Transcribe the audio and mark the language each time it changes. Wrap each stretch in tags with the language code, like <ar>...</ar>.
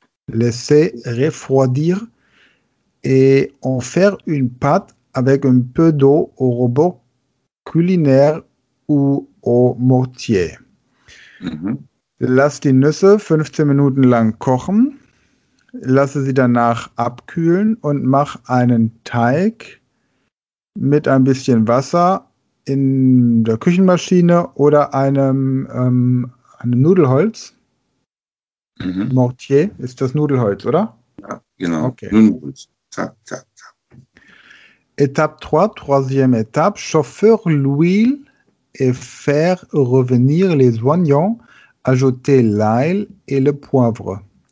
<fr>refroidir et en faire une pâte avec un peu d'eau au robot culinaire ou au mortier.</fr> <de>Lass die Nüsse 15 Minuten lang kochen, lasse sie danach abkühlen und mach einen Teig mit ein bisschen Wasser in der Küchenmaschine oder einem Nudelholz. Mhm. Mortier ist das Nudelholz, oder? Ja, genau. Okay. Nudelholz. Zack, zack, zack. Etappe 3,</de> <fr>troisième étape, chauffer l'huile et faire revenir les oignons. Ajouter l'ail et le poivre.</fr>